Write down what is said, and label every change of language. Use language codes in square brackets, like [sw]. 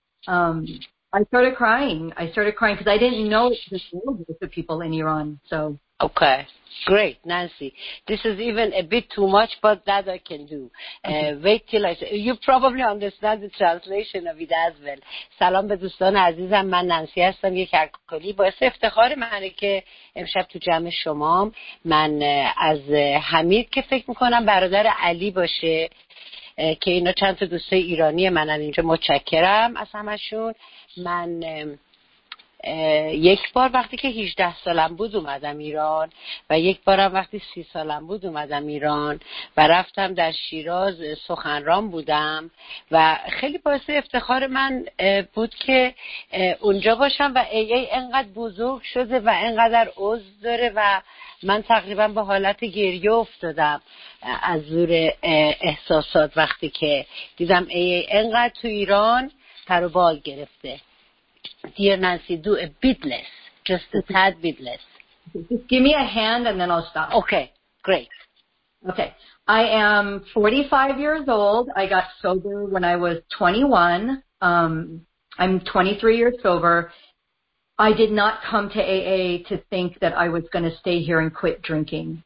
[en] I started crying because I didn't know it was available to people in Iran. So okay, great, Nancy. This is even a bit too much, but that I can do. Wait till I say. You probably understand the translation of it as well. [fa] سلام به دوستان عزیزم، من نانسی هستم، یک الکلی. باعث افتخار منه که امشب تو جمع شمام. من از حمید که فکر میکنم برادر علی باشه، که اینا چند تا دوستای ایرانی منن اینجا، متشکرم از همشون. من یک بار وقتی که 18 سالم بود اومدم ایران و یک بارم وقتی 30 سالم بود اومدم ایران و رفتم در شیراز سخنران بودم و خیلی باعث افتخار من بود که اونجا باشم و ای انقدر بزرگ شده و انقدر عضو داره و من تقریبا با حالت گریه افتادم از زور احساسات وقتی که دیدم ای انقدر تو ایران پر و بال گرفته. [en] Dear Nancy, do a bit less, just a tad bit less. Just give me a hand and then I'll stop. Okay, great. Okay, I am 45 years old. I got sober when I was 21. I'm 23 years sober. I did not come to AA to think that I was going to stay here and quit drinking.